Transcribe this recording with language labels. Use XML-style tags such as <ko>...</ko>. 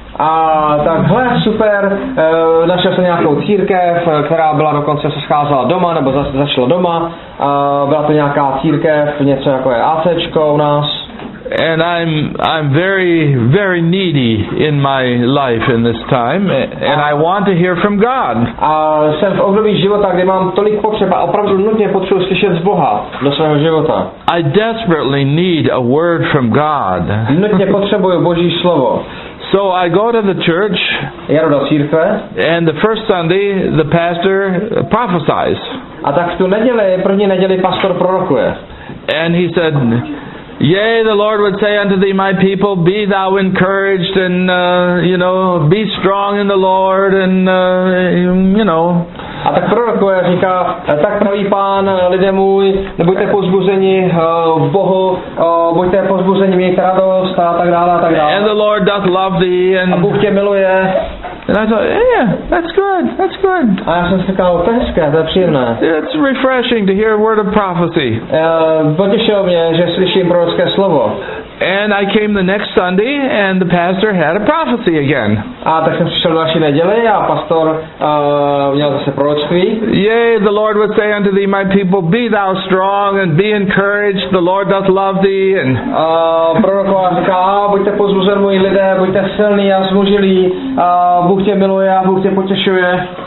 <cs>A takhle super, našel jsem nějakou církev, která byla dokonce se scházela doma, nebo zašla doma, byla to nějaká církev, něco jako je ACčko u nás.</cs> <en>And I'm very, very needy in my life in this time, and I want to hear from God.</en> <cs>A jsem v období života, kdy mám tolik potřeb a opravdu nutně potřebuji slyšet z Boha do svého života.</cs> <en>I desperately need a word from God.</en> <cs>Nutně potřebuji Boží slovo.</cs> <en>So I go to the church, and the first Sunday the pastor prophesies.</en> <cs>A tak v tu neděli, první neděli pastor prorokuje.</cs> <en>And he said, yea, the Lord would say unto thee, my people, be thou encouraged and, you know, be strong in the Lord and, you know.</en> <cs>A tak prorokuje, říká, tak pravý pán, lidé můj, nebuďte pozbuzeni v Bohu, buďte pozbuzeni, mějte radost a tak dále a tak dále.</cs> <en>And the Lord doth love thee.</en> <cs>A Bůh tě miluje.</cs> <en>And I thought, yeah, that's good.</en> <cs>A já jsem si říkal, to je hezké, to je příjemné.</cs> <en>It's refreshing to hear a word of prophecy.</en> <cs>Potěšilo mě, že slyším prorocké slovo.</cs> <en>And I came the next Sunday and the pastor had a prophecy again.</en> <cs>A tak jsem přišel další neděli a pastor měl zase proroctví.</cs> <en>Yea, the Lord would say unto thee, my people, be thou strong and be encouraged, the Lord doth love thee. And</en> <cs>prorokoval říká, buďte pozbuzen, moji lidé, buďte silní a zmužilí, Bůh tě miluje a Bůh tě potěšuje.</cs>